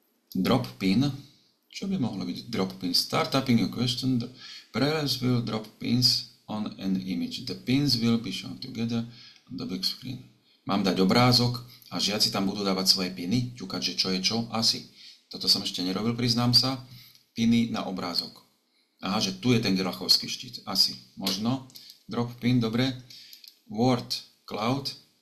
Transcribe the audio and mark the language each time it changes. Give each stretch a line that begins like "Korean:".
Slovak: Drop pin, čo by mohlo byť drop pin?
English: Startuping a question, prayers will drop pins on an image. The pins will be shown together on the big screen.
Slovak: Mám dať obrázok a žiaci tam budú dávať svoje piny, ťukať, že čo je čo, asi. Toto som ešte nerobil, priznám sa. Piny na obrázok. Aha, že tu je ten grachovský štít, asi. Možno. Drop pin, dobre.
English: Word cloud.